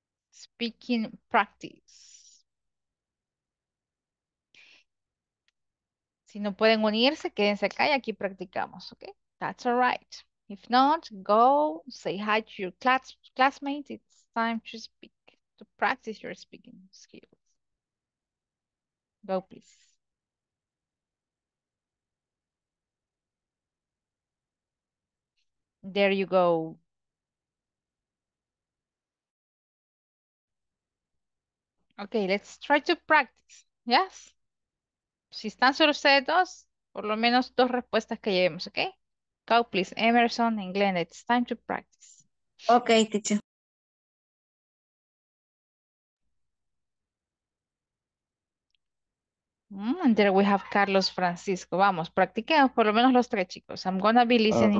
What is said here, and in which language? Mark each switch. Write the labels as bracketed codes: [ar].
[en] Speaking practice. [es] Si no pueden unirse, quédense acá y aquí practicamos, ¿ok? [en] That's all right. If not, go say hi to your classmates. It's time to speak, to practice your speaking skills. Go, please. There you go. Okay, let's try to practice, yes? [es] Si están solo ustedes dos, por lo menos 2 respuestas que llevemos, ¿ok? [en] Go, please, Emerson and Glenn, it's time to practice. Ok, teacher. And there we have Carlos Francisco. [es] Vamos, practiquemos por lo menos los 3, chicos. [en] I'm gonna be listening